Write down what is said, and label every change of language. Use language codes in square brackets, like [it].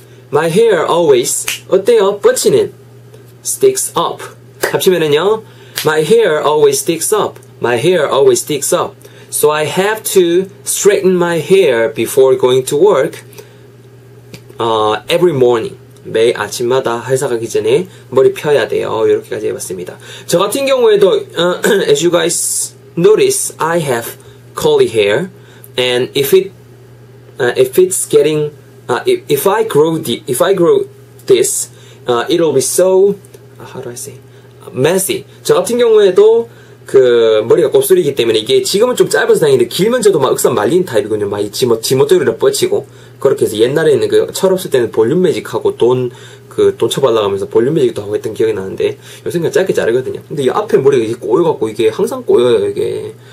[en] My hair always [ko] 어때요? 뻗치는 [en] sticks up. [ko] 합치면은요. [en] My hair always sticks up. My hair always sticks up. So I have to straighten my hair before going to work every morning. [ko] 매 아침마다 회사 가기 전에 머리 펴야 돼요. 이렇게까지 해봤습니다. 저 같은 경우에도 [en] as you guys notice, I have curly hair, and if I grow this, It'll be so, how do I say, messy. [ko] 저 같은 경우에도 그 머리가 곱슬이기 때문에 이게 지금은 좀 짧은 스타일인데 길면 저도 막 억상 말린 타입이거든요. 막 이 지멋지멋대로 뻗치고 그렇게 해서 옛날에는 그 철없을 때는 볼륨 매직하고 돈 그 돈 쳐발라가면서 볼륨 매직도 하고 했던 기억이 나는데 요새는 짧게 자르거든요. 근데 이 앞에 머리가 이게 꼬여갖고 이게 항상 꼬여요 이게.